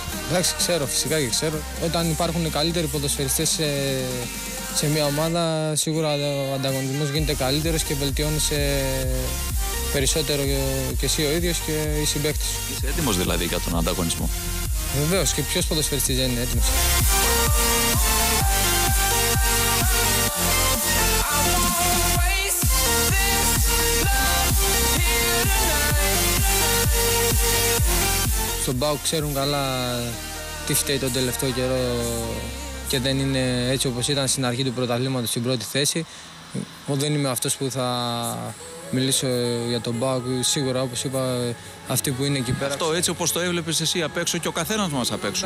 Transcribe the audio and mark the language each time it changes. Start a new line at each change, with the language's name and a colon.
Greek: Εντάξει, ξέρω, φυσικά και ξέρω. Όταν υπάρχουν καλύτεροι ποδοσφαιριστές σε μια ομάδα, σίγουρα ο ανταγωνισμός γίνεται καλύτερος και βελτιώνεσαι περισσότερο και εσύ ο ίδιος και οι συμπαίκτες. Είσαι έτοιμος δηλαδή για τον ανταγωνισμό? Βεβαίως, και ποιος ποδοσφαιριστής δεν είναι έτοιμος.
English: I won't waste this love here tonight.
Greek: στον ΠΑΟΚ ξέρουν καλά τι φταίει τον τελευταίο καιρό και δεν είναι έτσι όπως ήταν στην αρχή του πρωταθλήματος στην πρώτη θέση. Εγώ δεν είμαι αυτός που θα μιλήσω για τον ΠΑΟΚ. Σίγουρα, όπως είπα, αυτοί που είναι εκεί πέρα. Αυτό έτσι όπως το έβλεπες εσύ απ' έξω και ο καθένας μας απ' έξω.